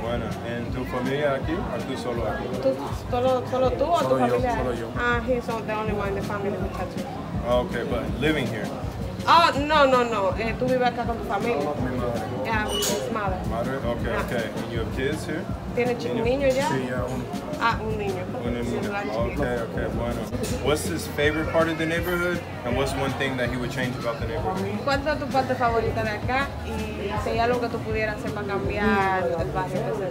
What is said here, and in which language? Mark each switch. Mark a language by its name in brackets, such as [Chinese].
[Spanish] Bueno, ¿en tu familia aquí o tú solo aquí? ¿Solo tú solo o tu familia? Solo yo. [English] Ah, he's the only one in the family, muchachos. Okay, but living here. [Spanish] No. Tú vives acá con tu familia. Mi madre. [English] Yeah, with his mother. Madre. Okay, ah. Okay. And you have kids here? [Spanish] ¿Tienes un niño ya? Sí, ya uno. Ah, un niño. Un niño. [English] Okay, bueno. What's his favorite part of the neighborhood? And what's one thing that he would change about the neighborhood? [Spanish] ¿Cuál es tu parte favorita de acá? Y sería algo que tú pudieras hacer para cambiar el barrio.